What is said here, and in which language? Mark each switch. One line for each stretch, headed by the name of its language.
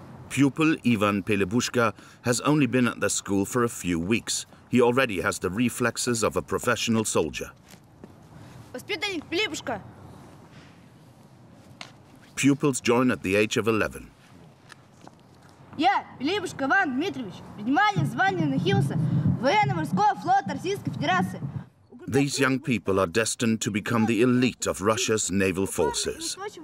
English: Pupil Ivan Pelebushka has only been at the school for a few weeks. He already has the reflexes of a professional soldier.
Russian: Воспитанник Пелебушка!
English: Pupils join at the age of 11.
Russian: Я, Пелебушка Иван Дмитриевич, принимаю звание Нахимса военно-морского флота Российской Федерации.
English: These young people are destined to become the elite of Russia's naval forces.